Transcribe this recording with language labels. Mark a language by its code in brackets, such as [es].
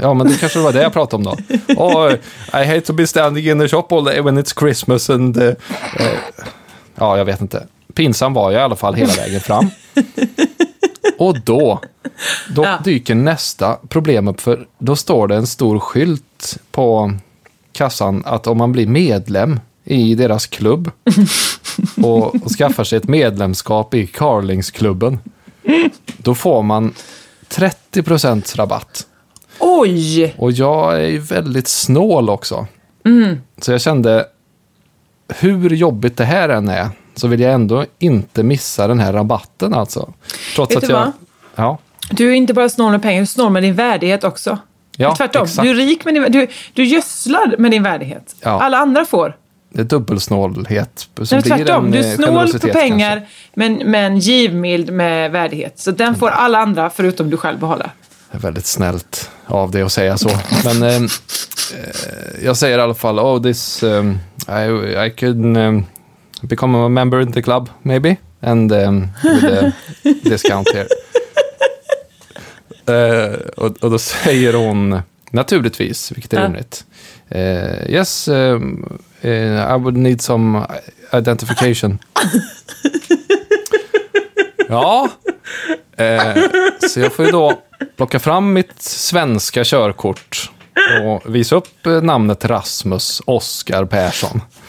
[sv] Ja, men det kanske var det jag pratade om då. [en] I hate to be standing in the shop all day when it's Christmas and... [sv] ja, jag vet inte. Pinsam var jag i alla fall hela vägen fram. Och då dyker nästa problem upp, för då står det en stor skylt på kassan att om man blir medlem i deras klubb och skaffar sig ett medlemskap i Carlingsklubben, då får man 30% rabatt. Oj! Och jag är ju väldigt snål också. Mm. Så jag kände, hur jobbigt det här än är, så vill jag ändå inte missa den här rabatten alltså. Trots att jag, ja. Du är inte bara snål med pengar, du är snål med din värdighet också. Ja, tvärtom, exakt. Du är rik med din, du gödslar med din värdighet. Ja. Alla andra får. Det är dubbelsnålhet. Så nej, tvärtom, du är snål på pengar men givmild med värdighet. Så den får alla andra förutom du själv behålla. Det är väldigt snällt av dig att säga så. Men jag säger i alla fall, [en] oh, this, I could become a member in the club, maybe. And with a discount here. [sv] Och då säger hon, naturligtvis, vilket är rimligt. [en] Yes, I would need some identification. [sv] Ja. Så jag får ju då plocka fram mitt svenska körkort och visa upp namnet Rasmus Oscar Persson.